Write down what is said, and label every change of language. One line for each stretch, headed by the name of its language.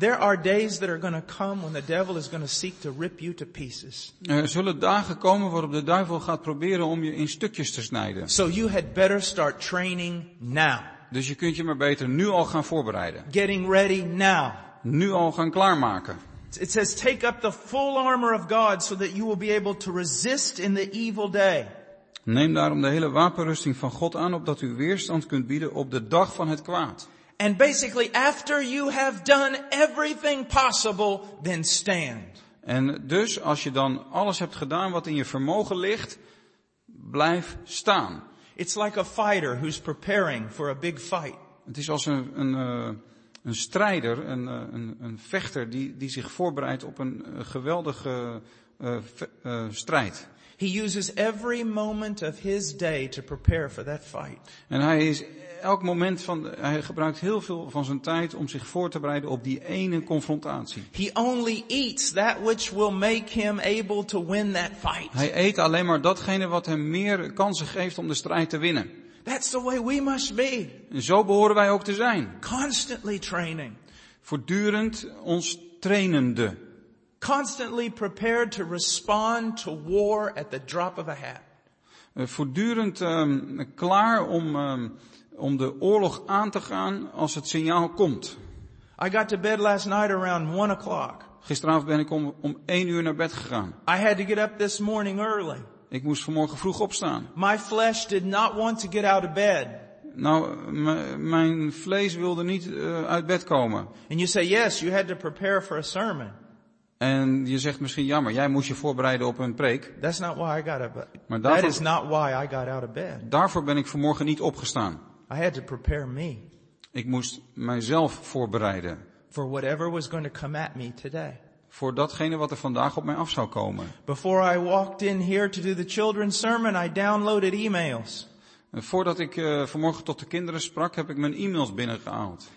English: There are days that are going to come when the devil is going to seek to rip you to pieces.
Dutch: Er zullen dagen komen waarop de duivel gaat proberen om je in stukjes te snijden.
English: So you had better start training now.
Dutch: Dus je kunt je maar beter nu al gaan voorbereiden.
English: Getting ready now.
Dutch: Nu al gaan klaarmaken.
English: It says take up the full armor of God so that you will be able to resist in the evil day.
Dutch: Neem daarom de hele wapenrusting van God aan opdat u weerstand kunt bieden op de dag van het kwaad.
English: And basically after you have done everything possible then stand.
Dutch: En dus als je dan alles hebt gedaan wat in je vermogen ligt, blijf staan.
English: It's like a fighter who's preparing for a big fight.
Dutch: Het is als een strijder, een vechter die zich voorbereidt op een geweldige strijd.
English: He uses every moment of his day to prepare for that fight.
Dutch: En hij is elk moment van hij gebruikt heel veel van zijn tijd om zich voor te bereiden op die ene confrontatie.
English: He only eats that which will make him able to win that fight.
Dutch: Hij eet alleen maar datgene wat hem meer kansen geeft om de strijd te winnen.
English: That's the way we must be.
Dutch: En zo behoren wij ook te zijn.
English: Constantly training.
Dutch: Voortdurend ons trainende.
English: Constantly prepared to respond to war at the drop of a hat.
Dutch: Voortdurend klaar om de oorlog aan te gaan als het signaal komt.
English: I got to bed last night around 1 o'clock.
Dutch: Gisteravond ben ik om 1 uur naar bed gegaan.
English: I had to get up this morning early.
Dutch: Ik moest vanmorgen vroeg opstaan.
English: My flesh did not want to get out of bed.
Dutch: Nou, mijn vlees wilde niet uit bed komen.
English: And you say yes, you had to prepare for a sermon.
Dutch: En je zegt misschien jammer, jij moest je voorbereiden op een preek.
English: That's not why I got out of bed. That is not why I got out of bed.
Dutch: Daarvoor ben ik vanmorgen niet opgestaan.
English: I had to prepare me.
Dutch: Ik moest mijzelf voorbereiden.
English: For whatever was going to come at me today.
Dutch: Voor datgene wat er vandaag op mij af zou komen.
English: Before I walked in here to do the children's sermon, I downloaded emails.
Dutch: En voordat ik vanmorgen tot de kinderen sprak, heb ik mijn e-mails binnengehaald.